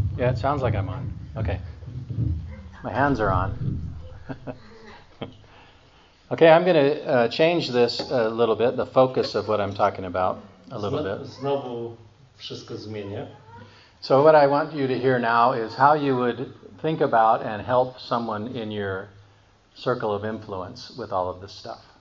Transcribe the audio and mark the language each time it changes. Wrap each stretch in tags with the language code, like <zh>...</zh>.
<en>Yeah, it sounds like I'm on. Okay. My hands are on. Okay, I'm going to change this a little bit, the focus of what I'm talking about a little bit.</en> <pl>Znowu wszystko zmienię.</pl> <en>So what I want you to hear now is how you would think about and help someone in your circle of influence with all of this stuff.</en>